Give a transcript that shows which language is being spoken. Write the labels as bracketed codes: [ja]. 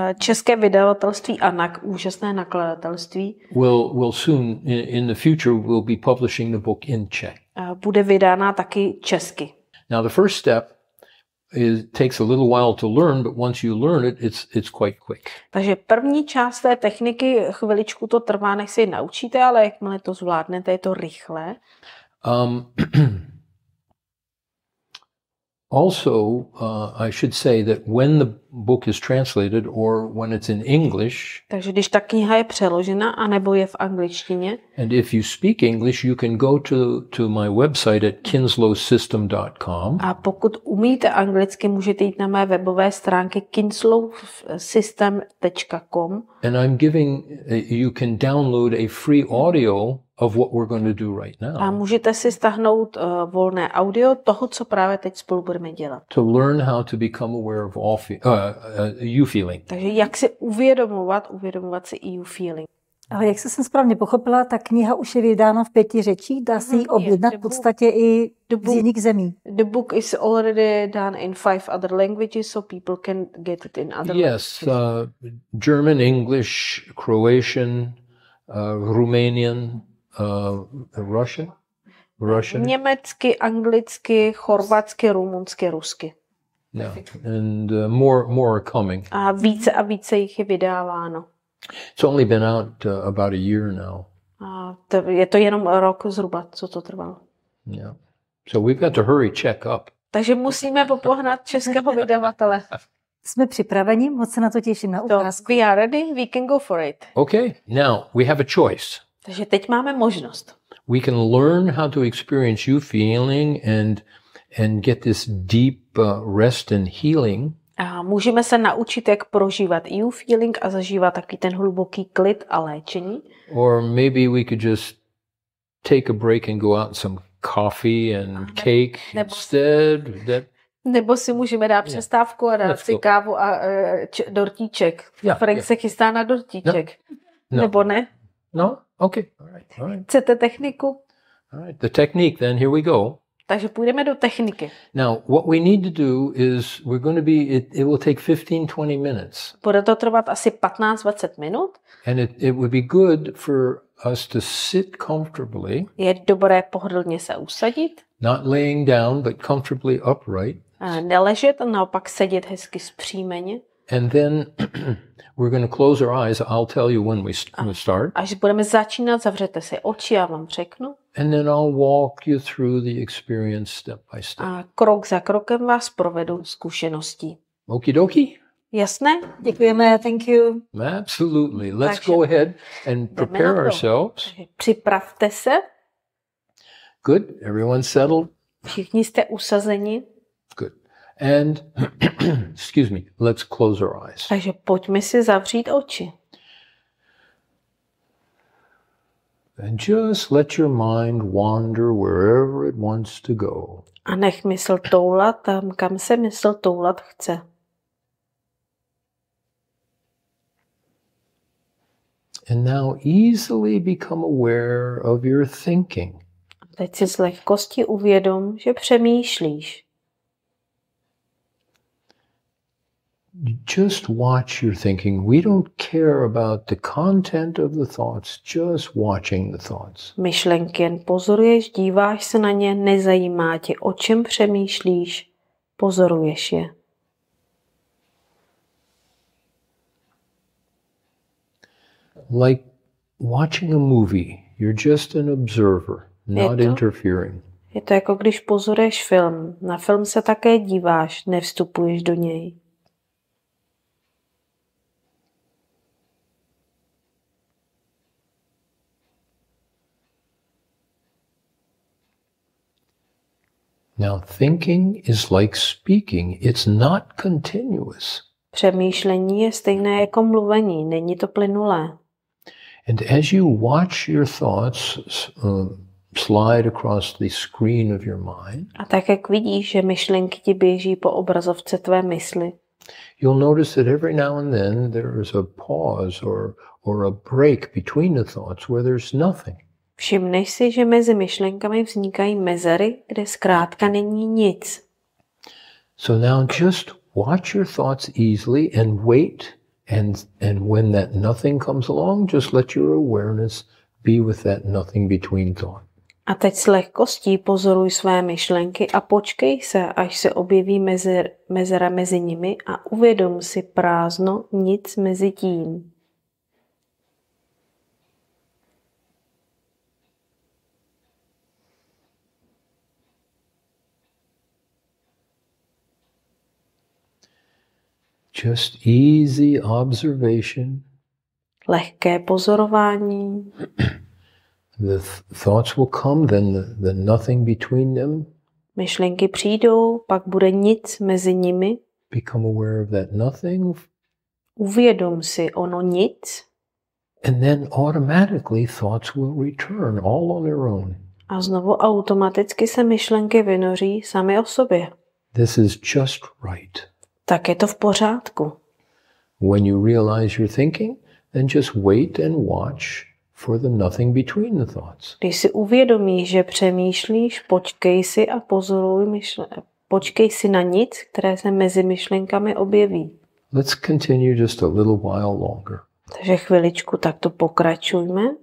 [cs] České vydavatelství Anak, úžasné nakladatelství. [en] Will soon, in the future, will be publishing the book in Czech. [cs] Bude vydána taky česky. [en] Now the first step, it takes a little while to learn, but once you learn it, it's quite quick. [cs] Takže první část té techniky, chviličku to trvá, než si naučíte, ale jakmile to zvládnete, je to rychlé. [en] Also, I should say that when the book is translated or when it's in English. [cs] Takže když ta kniha je přeložena a nebo je v angličtině. [en] And if you speak English, you can go to my website at kinslowsystem.com. [cs] A pokud umíte anglicky, můžete jít na mé webové stránky kinslowsystem.com. [en] And I'm giving you can download a free audio of what we're going to do right now. [cs] A můžete si stáhnout volné audio toho, co právě teď spolu budeme dělat. [en] To learn how to become aware of all you feeling. [cs] Takže jak se uvědomovat si you feeling. Ale jak jsem správně pochopila, ta kniha už je vydána v 5 řečích, dá se ji objednat v podstatě i z jiných zemí. [en] The book is already done in 5 other languages, so people can get it in other languages. Yes, German, English, Croatian, Romanian, Russian. [cs] Německy, anglicky, chorvatsky, rumunsky, rusky. [en] Yeah, and more are coming. [cs] A více jich je vydáváno. [en] It's only been out about a year now. [cs] Je to jenom rok zhruba, co to trvalo. [en] Yeah, so we've got to hurry check up. [cs] Takže musíme popohnat českého vydavatele. Jsme připraveni, moc se na to těším na ukázku. [en] We are ready, we can go for it. Okay, now we have a choice. [cs] Takže teď máme možnost. [en] We can learn how to experience you feeling and get this deep rest and healing. [cs] A můžeme se naučit, jak prožívat you feeling a zažívat taky ten hluboký klid a léčení. [en] Or maybe we could just take a break and go out some coffee and cake instead. [cs] Nebo si můžeme dát přestávku a dát si kávu a dortíček. Frank se chystá na dortíček. [en] No. [cs] Nebo ne? [en] No, okay. All right. [cs] Chcete techniku? [en] All right. The technique, then, here we go. [cs] Takže půjdeme do techniky. [en] Now, what we need to do is we're going to be it will take 15-20 minutes. [cs] Bude to trvat asi 15-20 minut. [en] And it would be good for us to sit comfortably. [cs] Je dobré pohodlně se usadit. [en] Not laying down, but comfortably upright. [cs] A neležet, naopak sedět hezky zpřímeně. [en] And then we're going to close our eyes. I'll tell you when we start. [cs] Až budeme začínat, zavřete si oči, já vám řeknu. [en] And then I'll walk you through the experience step by step. [cs] A krok za krokem vás provedu zkušeností. [en] Okey-dokey. [cs] Jasné? Děkujeme, [en] thank you. Absolutely. Let's go ahead and prepare ourselves. [cs] Připravte se. [en] Good, everyone settled. [cs] Všichni jste usazeni. [en] Good. And, excuse me, let's close our eyes. [cs] Takže pojďme si zavřít oči. [en] And just let your mind wander wherever it wants to go. [cs] A nech mysl toulat tam, kam se mysl toulat chce. [en] And now easily become aware of your thinking. [cs] Teď si z lehkosti uvědom, že přemýšlíš. [en] Just watch your thinking. We don't care about the content of the thoughts, just watching the thoughts. [cs] Myšlenky jen pozoruješ, díváš se na ně, nezajímá tě, o čem přemýšlíš, pozoruješ je. [en] Like watching a movie, you're just an observer, not interfering. [cs] Je to jako když pozoruješ film. Na film se také díváš, nevstupuješ do něj. [en] Now thinking is like speaking, it's not continuous. [cs] Přemýšlení je stejné jako mluvení, není to plynulé. [en] And as you watch your thoughts slide across the screen of your mind. [cs] A tak jak vidíš, že myšlenky ti běží po obrazovce tvé mysli. [en] You'll notice that every now and then there is a pause or a break between the thoughts where there's nothing. [cs] Všimneš si, že mezi myšlenkami vznikají mezery, kde zkrátka není nic. [en] So now just watch your thoughts easily and wait and when that nothing comes along, just let your awareness be with that nothing between thought. [cs] A teď s lehkostí pozoruj své myšlenky a počkej se, až se objeví mezera mezi nimi a uvědom si prázdno nic mezi tím. [en] Just easy observation. [cs] Lehké pozorování. [en] The thoughts will come, then the nothing between them. [cs] Myšlenky přijdou, pak bude nic mezi nimi. [en] Become aware of that nothing. [cs] Uvědom si ono nic. [en] And then automatically thoughts will return all on their own. [cs] A znovu automaticky se myšlenky vynoří sami o sobě. [en] This is just right. [cs] Tak je to v pořádku. [en] When you realize you're thinking, then just wait and watch for the nothing between the thoughts. [cs] Když si uvědomíš, že přemýšlíš, počkej si a pozoruj počkej si na nic, které se mezi myšlenkami objeví. [en] Let's continue just a little while longer. [cs] Takže chviličku takto pokračujme.